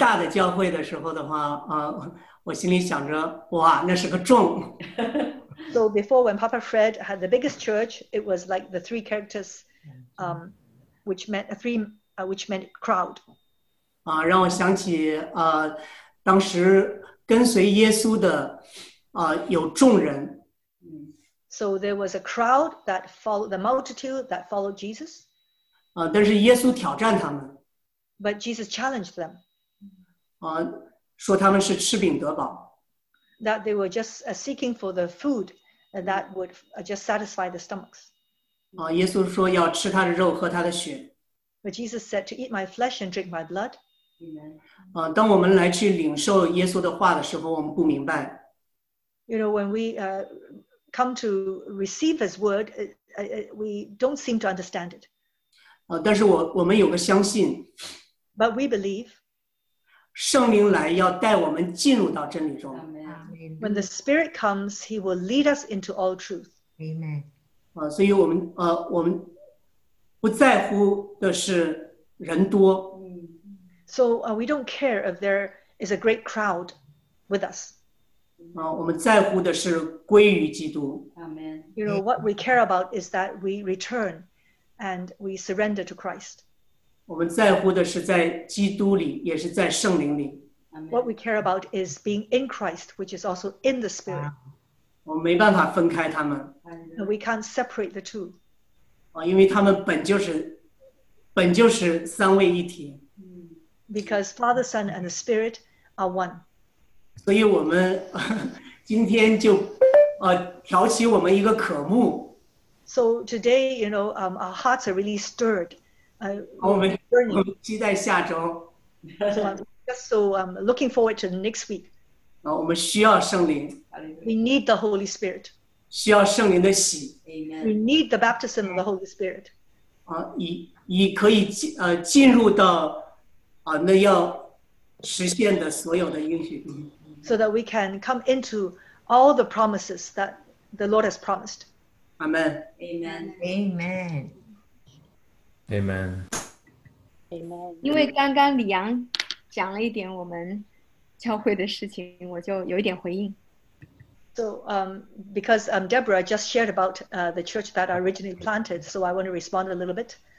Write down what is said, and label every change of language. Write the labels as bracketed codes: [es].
[zh] 所以当我听到最大的教会的时候的话, 我心里想着, 哇, 那是个众。 [en] So before when Papa Fred had the biggest church, it was like the three characters, which meant three, which meant crowd. [zh] 让我想起, 当时跟随耶稣的, 有众人。 [en] So there was a crowd that followed, the multitude that followed Jesus. [zh] 但是耶稣挑战他们。 [en] But Jesus challenged them. [zh] 说他们是吃饼得饱。 [en] That they were just seeking for the food that would just satisfy the stomachs. [zh] 耶稣说要吃他的肉喝他的血。 [en] But Jesus said to eat my flesh and drink my blood. [zh] 当我们来去领受耶稣的话的时候，我们不明白。 [en] You know, when we come to receive his word, we don't seem to understand it. [zh] 但是我们有个相信。 [en] But we believe. [zh] 圣灵来要带我们进入到真理中。 [en] When the Spirit comes, He will lead us into all truth. Amen. [zh] 所以我们不在乎的是人多。 [en] So we don't care if there is a great crowd with us. [zh] 我们在乎的是归于基督。 [en] Amen. You know, what we care about is that we return and we surrender to Christ. [zh] 我们在乎的是在基督里，也是在圣灵里。 [en] Amen. What we care about is being in Christ, which is also in the Spirit. [zh] 我们没办法分开他们。 [en] And we can't separate the two. [zh] 因为他们本就是三位一体。 [en] Because Father, Son, and the Spirit are one. [zh] 所以我们今天就挑起我们一个渴慕。 [en] So today, you know, our hearts are really stirred. [zh] 我们期待下周。 [en] So looking forward to next week. [zh] 我们需要圣灵。 [en] We need the Holy Spirit. [zh] 需要圣灵的洗。 [en] We need the baptism of the Holy Spirit. [zh] 以可以进入到那要实现的所有的应许。 [en] So that we can come into all the promises that the Lord has promised. Amen. Amen. Amen. Amen. Amen. [zh] 因为刚刚李阳讲了一点我们教会的事情，我就有一点回应。 [en] So, because Deborah just shared about the church that I originally planted, so I want to respond a little bit.